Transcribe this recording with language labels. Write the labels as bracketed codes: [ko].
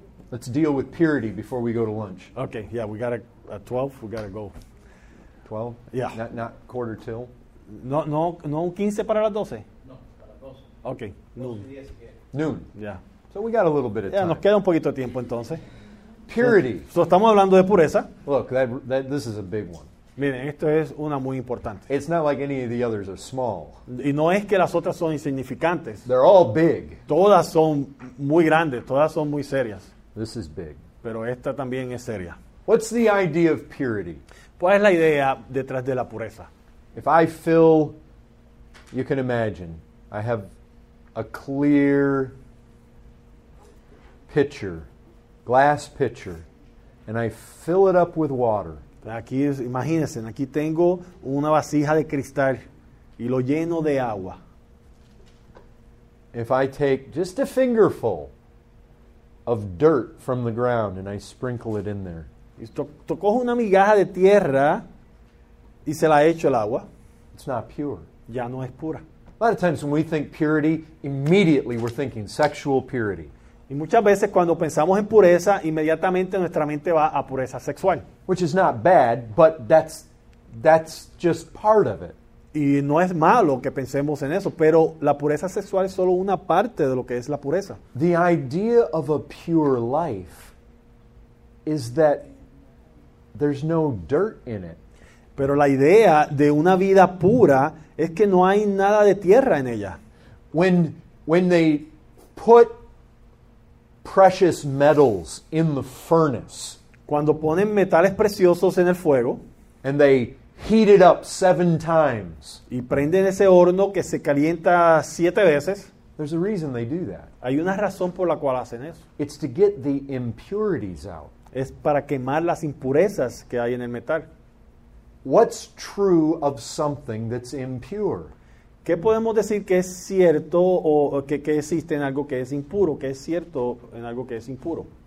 [en] Let's deal with purity before we go to lunch. Okay, yeah, we got a 12, we got to go. 12? Yeah. Not quarter till? [es] No, 15 para las 12. [en] No, okay, noon. Noon. Yeah. So we got a little bit of time. [es] Nos queda un poquito de tiempo entonces. [en] Purity. [es] So estamos hablando de pureza. [en] Look, that this is a big one. [es] Miren, esto es una muy importante. [en] It's not like any of the others are small. [es] Y no es que las otras son insignificantes. [en] They're all big. [es] Todas son muy grandes, todas son muy serias. [en] This is big. [es] Pero esta también es seria. [en] What's the idea of purity? [es] ¿Cuál es la idea detrás de la pureza? [en] If I feel, you can imagine, I have a clear pitcher, glass pitcher, and I fill it up with water. [es] Aquí, imagínense, aquí tengo una vasija de cristal y lo lleno de agua. [en] If I take just a fingerful of dirt from the ground and I sprinkle it in there. [es] Tú coges una migaja de tierra y se la echo el agua. [en] It's not pure. [es] Ya no es pura. [en] A lot of times when we think purity, immediately we're thinking sexual purity. [es] Y muchas veces cuando pensamos en pureza, inmediatamente nuestra mente va a pureza sexual. [en] Which is not bad, but that's just part of it. [es] Y no es malo que pensemos en eso, pero la pureza sexual es solo una parte de lo que es la pureza. [en] The idea of a pure life is that there's no dirt in it. [es] Pero la idea de una vida pura es que no hay nada de tierra en ella. [en] When they put precious metals in the furnace. [es] Cuando ponen metales preciosos en el fuego. [en] And they heat it up 7 times. [es] Y prenden ese horno que se calienta 7 veces. [en] There's a reason they do that. [es] Hay una razón por la cual hacen eso. [en] It's to get the impurities out. [es] Es para quemar las impurezas que hay en el metal. [en] What's true of something that's impure? [es] ¿Qué podemos decir que es cierto o que existe en algo que es impuro? ¿Qué es cierto en algo que es impuro?